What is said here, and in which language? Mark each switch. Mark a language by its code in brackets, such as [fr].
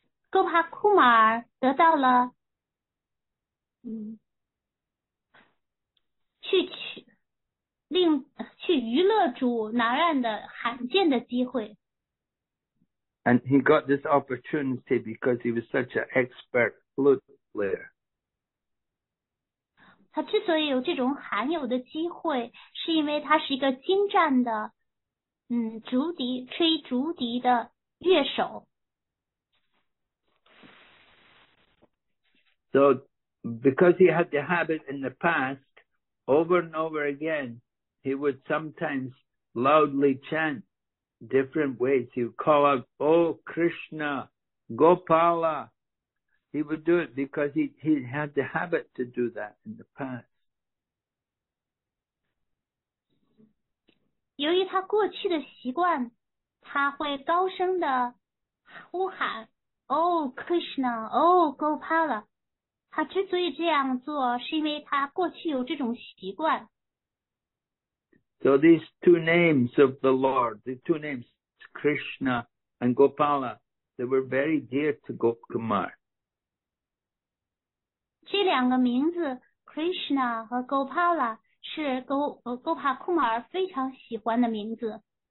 [zh] 哥帕库马尔得到了去娱乐主拿让的罕见的机会。 [en] And he got this opportunity because he was such an expert flute player. [zh] 他之所以有这种罕有的机会，是因为他是一个精湛的吹竹笛的乐手。 [en] So, because he had the habit in the past, over and over again, he would sometimes loudly chant different ways. He would call out, "Oh Krishna, Gopala." He would do it because he had the habit to do that in the past. [zh] 由于他过去的习惯，他会高声的呼喊 [en] "Oh Krishna, Oh Gopala." [zh] 他之所以这样做，是因为他过去有这种习惯。 [en] So these two names of the Lord, the two names, Krishna and Gopala, they were very dear to Gop Kumar. [zh] 这两个名字 ,Krishna 和 Gopala, 是 Gopa Kumar 非常喜欢的名字。